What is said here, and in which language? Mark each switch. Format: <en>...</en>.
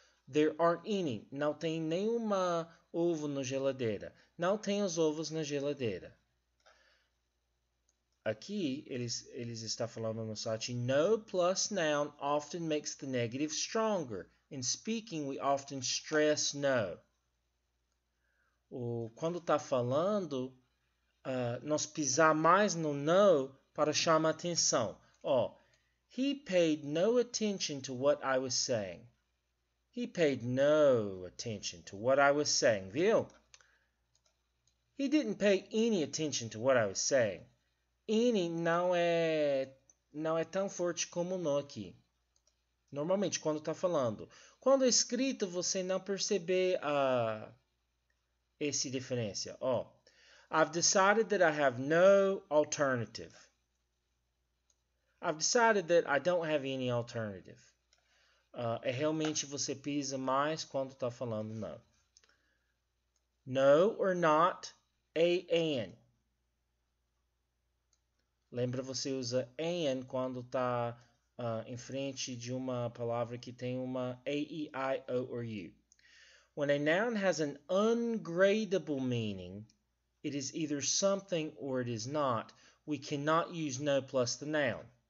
<en>There aren't any.</en> <pt>Não tem nenhuma ovo na geladeira. Não tem os ovos na geladeira. Aqui, eles estão falando no site.</pt> <en>No plus noun often makes the negative stronger. In speaking, we often stress no.</en> <pt>Ou quando está falando, nós pisar mais no no para chamar atenção.</pt> <en>Oh, he paid no attention to what I was saying. He paid no attention to what I was saying.</en> <pt>Viu?</pt> <en>He didn't pay any attention to what I was saying.</en> <pt>Any não é tão forte como no aqui. Normalmente, quando está falando. Quando é escrito, você não percebe essa diferença.</pt> <en>Oh, I've decided that I have no alternative. I've decided that I don't have any alternative.</en> <pt>É realmente você pisa mais quando está falando não.</pt> <en>No or not, an.</en> <pt>Lembra, você usa an quando está em frente de uma palavra que tem uma a, e, i, o, or u.</pt> <en>When a noun has an ungradable meaning, it is either something or it is not, we cannot use no plus the noun.</en>